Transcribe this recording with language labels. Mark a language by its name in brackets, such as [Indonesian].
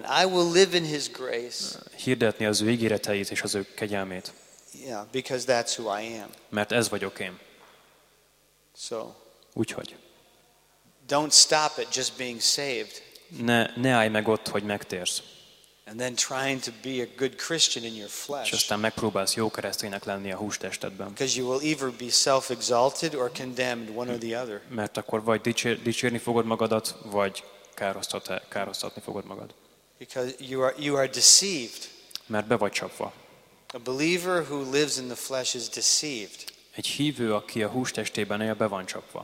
[English] And I will live in his grace. [Hungarian] Hirdetni az ő ígéreteit és az ő kegyelmét. [English] Yeah, because that's who I am. [Hungarian] Mert ez vagyok én. [English] So. [Hungarian] Úgyhogy. [English] Don't stop at just being saved. [Hungarian] Ne állj meg ott, hogy megtérsz. [English] And then trying to be a good Christian in your flesh. [Hungarian] Aztán megpróbálsz jó kereszténynek lenni a hústestedben. [English] Because you will either be self-exalted or condemned, one or the other. [Hungarian] Mert akkor vagy dicsérni fogod magadat, vagy károsztatni fogod magad. [English] Because you are deceived. [Hungarian] Mert be vagy csapva. [English] A believer who lives in the flesh is deceived. [Hungarian] Egy hívő, aki a hústestében él, be van csapva.